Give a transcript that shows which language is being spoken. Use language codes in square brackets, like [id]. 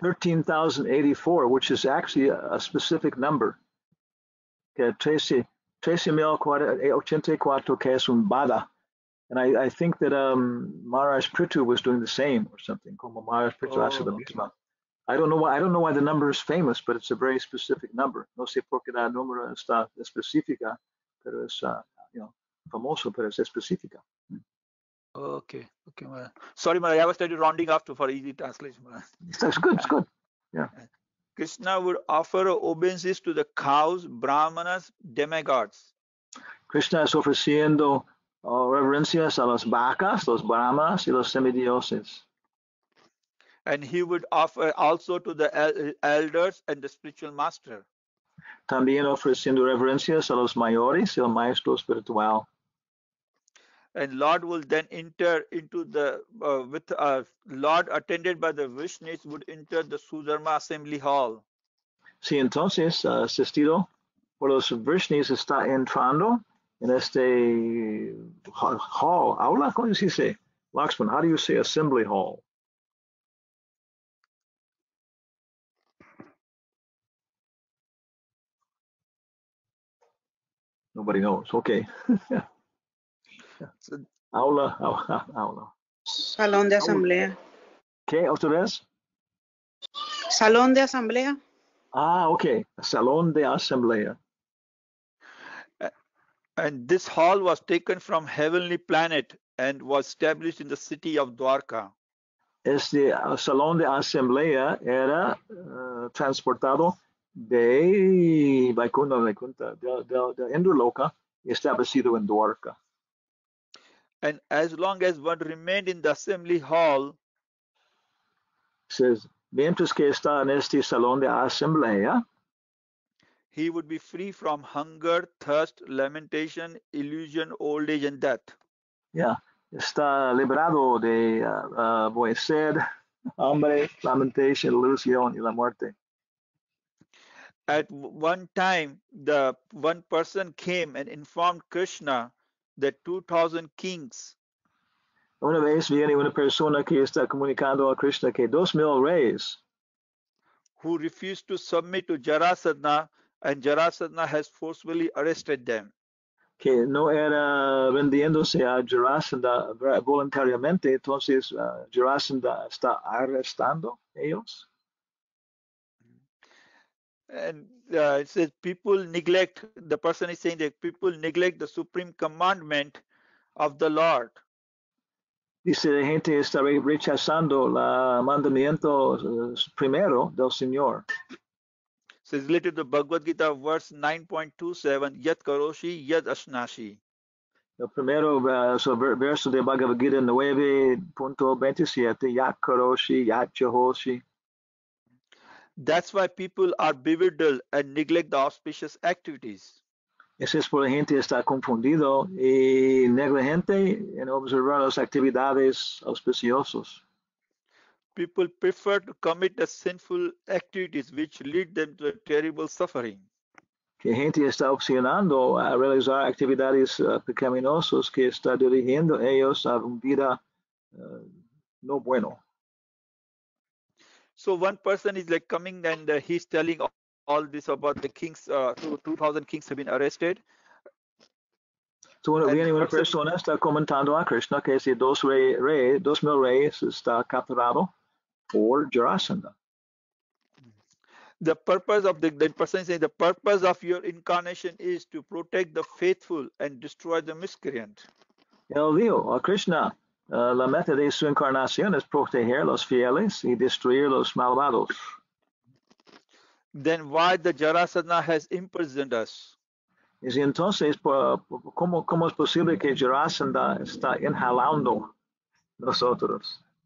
[en] 13,084, which is actually a specific number. [es] Okay, 13,084, que es un bhaga. [en] And I think that Maharaj Prithu was doing the same or something. [es] Como Maharaj Prithu hace lo mismo. [en] I don't know why the number is famous, but it's a very specific number. [es] No sé por qué la número está específica, pero es famoso, pero es específica. [en] Okay, Maharaj. Sorry, Maharaj, I was trying to rounding off for easy translation, Maharaj. That's good. It's good. Yeah. Krishna would offer obeisances to the cows, brahmanas, demigods. [es] Krishna is ofreciendo reverencias a las vacas, los brahmanas y los semidioses. [en] And he would offer also to the elders and the spiritual master. [es] También ofreciendo reverencias a los mayores y el maestro espiritual. [en] And Lord will then enter into the Lord attended by the Vishnis would enter the Sudharma assembly hall. [es] Sí, entonces asistido por los Vishnis está entrando en este hall. Aula, ¿cómo se dice? Laxman, [en] how do you say assembly hall? Nobody knows. Okay. [es] Aula. Aula. Salón de asamblea. ¿Qué? ¿Otra vez? Salón de asamblea. Ah, okay. Salón de asamblea. [en] And this hall was taken from heavenly planet and was established in the city of Dwarka. [es] Este salón de asamblea era transportado de Vaikuntha, de Indraloka, establecido en Dwarka. [en] And as long as one remained in the assembly hall, [es] says, mientras que está en este salón de asamblea, [en] he would be free from hunger, thirst, lamentation, illusion, old age, and death. [es] Yeah, está librado de sed, hambre, lamentation, ilusión, y la muerte. [en] At one time, the one person came and informed Krishna that 2,000 kings. [es] Una vez viene una persona que está comunicando a Krishna que 2,000 reyes. [en] Who refused to submit to Jarasandha, and Jarasandha has forcibly arrested them. [es] Que no era rindiéndose a Jarasandha voluntariamente, entonces Jarasandha está arrestando ellos. [en] And it says people neglect, the person is saying that people neglect the supreme commandment of the Lord. [es] Dice la gente está rechazando el mandamiento primero del Señor. [en] Says related to Bhagavad Gita verse 9.27, yat karoshi yat ashnashi. [es] El primero verso de Bhagavad Gita 9.27, yat karoshi yat chahoshi. [en] That's why people are bewildered and neglect the auspicious activities. [es] Eso es por la gente está confundido y negligente en observar las actividades auspiciosas. [en] People prefer to commit the sinful activities which lead them to terrible suffering. [es] Que gente está opcionando a realizar actividades pecaminosas que está dirigiendo ellos a una vida no bueno. [en] So one person is like coming and he's telling all this about the kings, 2,000 kings have been arrested. [es] So una viene una persona está comentando a Krishna que si 2,000 reyes está capturado por Jarasandha. [en] The purpose of the person is saying the purpose of your incarnation is to protect the faithful and destroy the miscreant. [es] El Dio, a Krishna. La meta de su encarnación es proteger los fieles y destruir los malvados. [en] Then why the Jarasandha has imprisoned us? [es] Es entonces, ¿cómo es posible que Jarasandha está inhalando nosotros?